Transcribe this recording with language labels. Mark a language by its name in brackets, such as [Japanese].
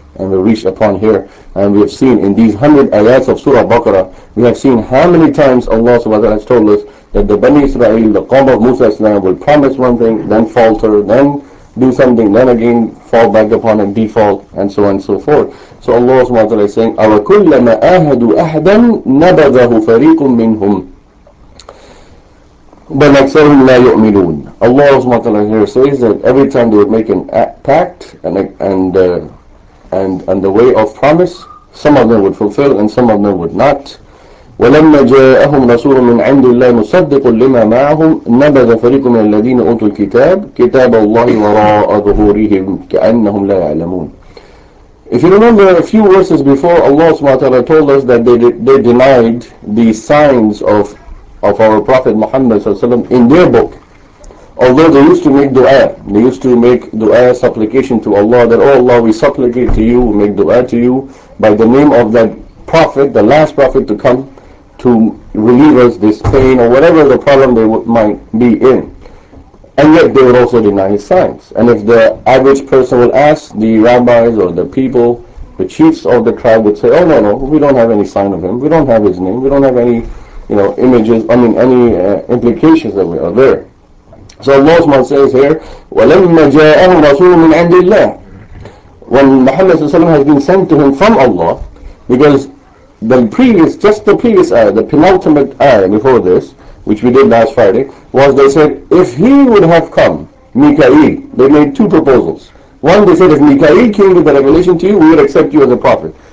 [English] And we reach upon here, and we have seen in these 100 ayats of Surah Baqarah, we have seen how many times Allah subhanahu wa ta'ala has told us that the Bani Israel, the Qawm of Musa will promise one thing, then falter, then do something, then again fall back upon and default, and so on and so forth. So Allah subhanahu wa ta'ala is saying, [Arabic] أَوَكُلَّمَا أَهَدُوا أَحْدًا نَبَذَهُ فَرِيقٌ مِّنْهُمْ بَلْ أَكْثَرُهُمْ لَا يُؤْمِنُونَ. [English] Allah subhanahu wa ta'ala here says that every time they would make an pact and the way of promise, some of them would fulfill and some of them would not. [Arabic] وَلَمَّا جَاءَهُمْ رَسُولٌ مِّنْ عِنْدِ اللَّهِ مُصَدِّقٌ لِمَا مَعَهُمْ نَبَذَ فَرِيقٌ مِّنَ الَّذِينَ أُوتُوا الْكِتَابَ كِتَابَ اللَّهِ وَرَاءَ ظُهُورِهِمْ كَأَنَّهُمْ لَا يَعْلَمُونَ. [English] If you remember a few verses before, Allah subhanahu wa ta'ala told us that they denied the signs of our Prophet Muhammad sallallahu alaihi wasallam in their book. Although they used to make dua, they used to make dua supplication to Allah that, oh Allah, we supplicate to you, we make dua to you by the name of that prophet, the last prophet to come to relieve us this pain or whatever the problem they might be in. And yet they would also deny his signs. And if the average person would ask, the rabbis or the people, the chiefs of the tribe would say, oh no, we don't have any sign of him, we don't have his name, we don't have any, you know, images, I mean any implications that we are there. So Allah says here, [Arabic] وَلَمَّا جَاءَهُمْ رَسُولٌ مِّنْ عِنْدِ اللَّهِ. [English] When Muhammad has been sent to him from Allah, because the previous, just the previous ayah, the penultimate ayah before this, which we did last Friday, was they said, if he would have come, Mika'il, they made two proposals. One, they said, if Mika'il came with the revelation to you, we would accept you as a prophet.